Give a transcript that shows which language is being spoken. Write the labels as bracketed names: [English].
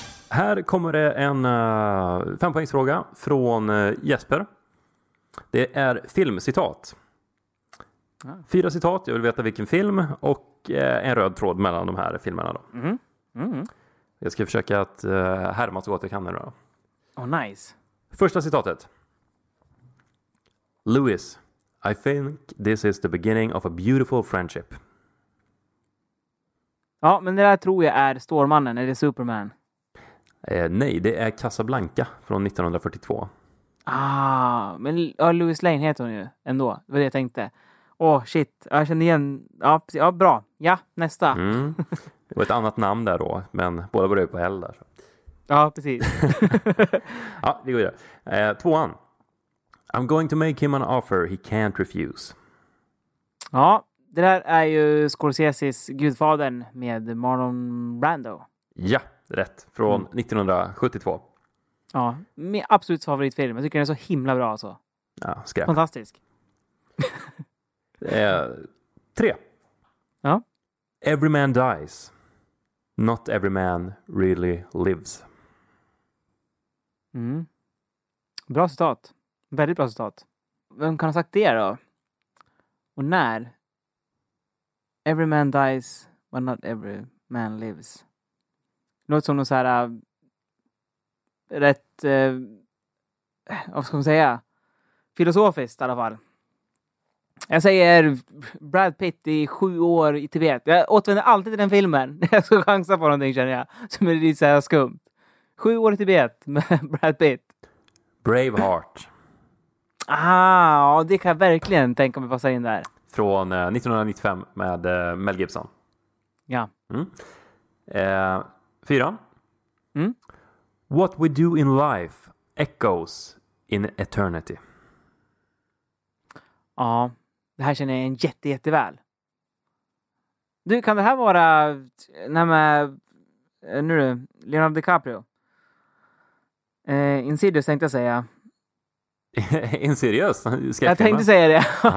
[Swedish] Här kommer det en fempoängsfråga från Jesper. Det är filmcitat. Fyra citat, jag vill veta vilken film och en röd tråd mellan de här filmerna då. Mm. Mm. Jag ska försöka att härma så gott jag kan nu då. [English] Oh, nice. [Swedish] Första citatet. [English] Louis, I think this is the beginning of a beautiful friendship. [Swedish] Ja, men det där tror jag är Stålmannen eller Superman. Nej, det är Casablanca från 1942. Ah, men Louis Lane heter hon ju ändå, det var det jag tänkte. Åh, shit. Jag känner igen... Ja, bra. Ja, nästa. Mm. Det var ett annat namn där då, men båda började på L där. Ja, precis. Ja, det går ju. Tvåan. [English] I'm going to make him an offer he can't refuse. [Swedish] Ja, det där är ju Scorseses Gudfadern med Marlon Brando. Ja, rätt. Från 1972. Ja, min absolut favoritfilm. Jag tycker den är så himla bra alltså. Ja, skräp. Fantastisk. Tre. Ja. [English] Every man dies. Not every man really lives. [Swedish] Mm. Bra citat. Väldigt bra citat. Vem kan ha sagt det då? Och när? [English] Every man dies, but not every man lives. [Swedish] Något som någon så här rätt vad ska man säga? Filosofiskt i alla fall. Jag säger Brad Pitt i 7 år i Tibet. Jag återvänder alltid till den filmen. Jag ska chansa på någonting, känner jag. Som är lite så här skumt. 7 år i Tibet med Brad Pitt. Braveheart. Ah, det kan jag verkligen tänka mig passa in där. Från 1995 med Mel Gibson. Ja. Mm. Fyra. Mm. [English] What we do in life echoes in eternity. [Swedish] Ja. Ah. Det här känner jag en jätteväl. Du, kan det här vara när man nu du, Leonardo DiCaprio? Insidious tänkte jag säga. Insidious? Jag tänkte säga det.